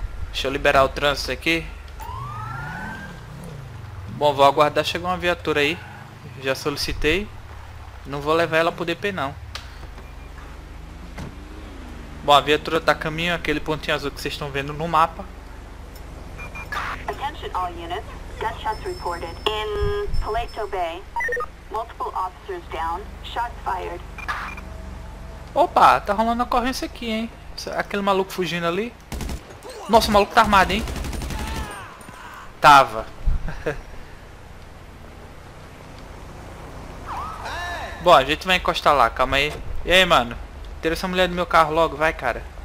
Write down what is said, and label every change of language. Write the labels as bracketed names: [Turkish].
[Portuguese] Deixa eu liberar o trânsito aqui. Bom, vou aguardar chegar uma viatura aí. Já solicitei. Não vou levar ela pro DP, não. Bom, a viatura tá a caminho, aquele pontinho azul que vocês estão vendo no mapa. [English] Attention all units. Gunshots reported in Palato Bay. Multiple officers down. Shots fired. [Portuguese] Opa, tá rolando a ocorrência aqui, hein? Aquele maluco fugindo ali. Nossa, o maluco tá armado, hein? Tava. Bom, a gente vai encostar lá, calma aí. E aí, mano? Tira essa mulher do meu carro logo, vai, cara.